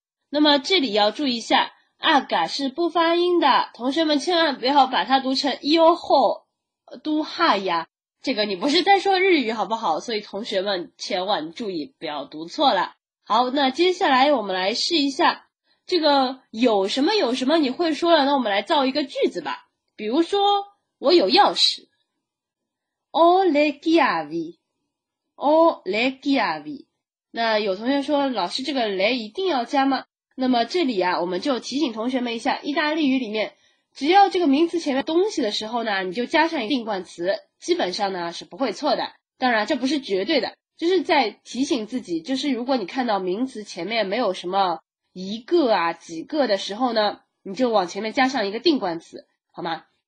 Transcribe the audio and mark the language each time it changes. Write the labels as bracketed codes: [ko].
[zh] 那么这里要注意一下，阿嘎是不发音的，同学们千万不要把它读成 [it] io ho tu hai [zh] 呀，这个你不是在说日语好不好，所以同学们千万注意不要读错了。好，那接下来我们来试一下这个有什么有什么你会说了，那我们来造一个句子吧。比如说我有钥匙， [it] ho le chiavi ho le chiavi。 [zh] 那有同学说，老师这个le一定要加吗？那么这里啊，我们就提醒同学们一下，意大利语里面只要这个名词前面东西的时候呢，你就加上一个定冠词，基本上呢是不会错的。当然这不是绝对的，就是在提醒自己，就是如果你看到名词前面没有什么一个啊几个的时候呢，你就往前面加上一个定冠词，好吗？